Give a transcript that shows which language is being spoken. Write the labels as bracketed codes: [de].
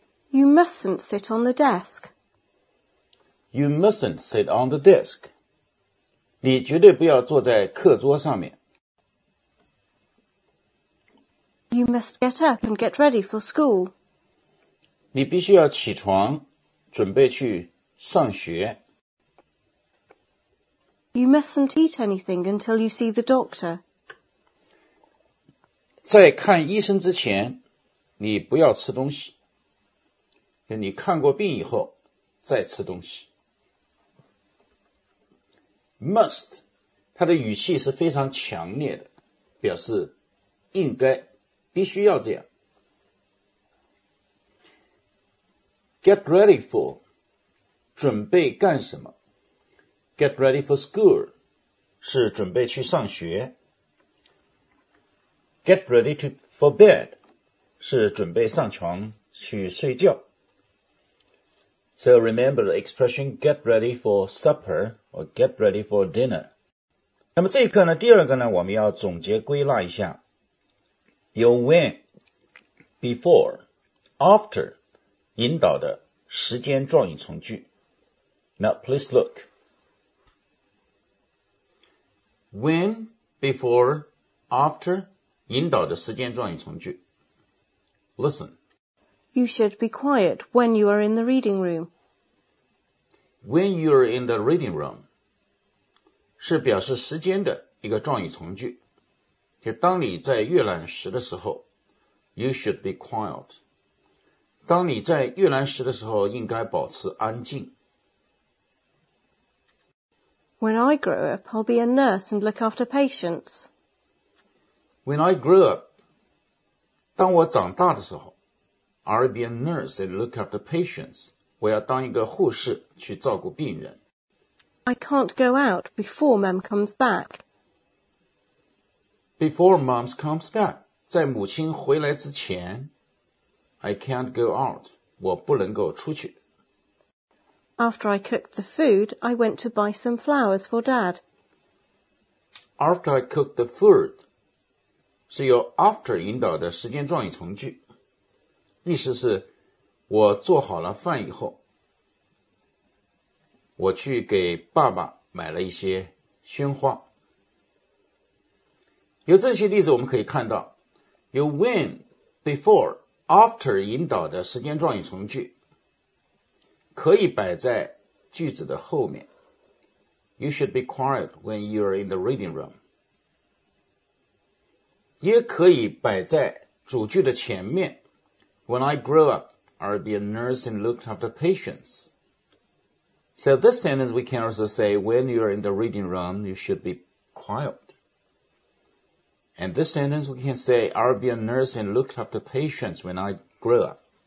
[en] You mustn't sit on the desk. You mustn't sit on the desk. [zh] 你绝对不要坐在课桌上面。 [en] You must get up and get ready for school. [zh] 你必须要起床，准备去上学。 [en] You mustn't eat anything until you see the doctor. [zh] 在看医生之前，你不要吃东西。你看过病以后，再吃东西。 Must, 它的语气是非常强烈的，表示应该，必须要这样。 [en] Get ready for, [zh] 准备干什么。 [en] Get ready for school, [zh] 是准备去上学。 [en] Get ready for bed, [zh] 是准备上床去睡觉。 [en] So remember the expression get ready for supper,or get ready for dinner. [zh] 那么这一课呢，第二个呢，我们要总结归纳一下，有 when, before, after 引导的时间状语从句。 [en] Now please look. [zh] When, before, after 引导的时间状语从句。 [en] Listen. You should be quiet when you are in the reading room. When you are in the reading room. [zh] 是表示时间的一个状语从句，就当你在阅览室的时候 ， [en] you should be quiet。 [zh] 当你在阅览室的时候，应该保持安静。 [en] When I grow up, I'll be a nurse and look after patients. When I grow up, [zh] 当我长大的时候 [en] ，I'll be a nurse and look after patients. [zh] 我要当一个护士去照顾病人。 [en] I can't go out before Mum comes back. Before Mum comes back, [zh] 在母亲回来之前 [en] I can't go out, [zh] 我不能够出去。 [en] After I cooked the food, I went to buy some flowers for Dad. After I cooked the food, [zh] 是由 after 引导的时间状语从句，意思是我做好了饭以后我去给爸爸买了一些鲜花。由这些例子我们可以看到，由 when, before, after 引导的时间状语从句可以摆在句子的后面。 [en] You should be quiet when you are in the reading room. [zh] 也可以摆在主句的前面。 [en] When I grow up, I'll be a nurse and look after patients. So this sentence we can also say, when you are in the reading room, you should be quiet. And this sentence we can say, I'll be a nurse and look after patients when I grow up.